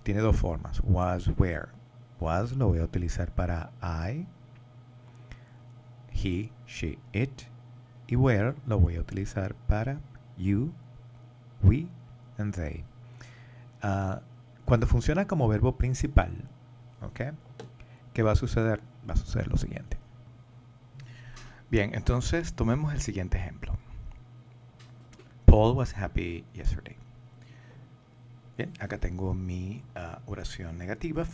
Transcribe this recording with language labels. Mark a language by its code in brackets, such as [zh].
[es] Tiene dos formas, was, where. Was lo voy a utilizar para I, he, she, it, y where lo voy a utilizar para you, we, and they. Cuando funciona como verbo principal, okay, ¿qué va a suceder? Va a suceder lo siguiente. Bien, entonces tomemos el siguiente ejemplo. [en] Paul was happy yesterday. [es] Bien, acá tengo mi oración negativa.